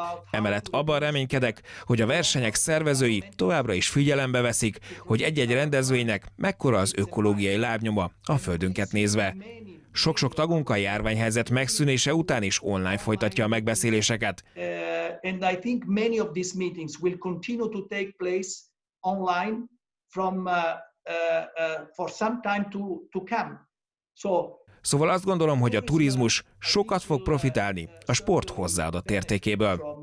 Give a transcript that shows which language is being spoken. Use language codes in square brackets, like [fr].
[hu] Emellett abban reménykedek, hogy a versenyek szervezői továbbra is figyelembe veszik, hogy egy-egy rendezvénynek mekkora az ökológiai lábnyoma a földünket nézve. Sok-sok tagunk a járványhelyzet megszűnése után is online folytatja a megbeszéléseket. [en] And I think many of these meetings will continue to take place online from for some time to come. [hu] Szóval azt gondolom, hogy a turizmus sokat fog profitálni a sport hozzáadott értékéből.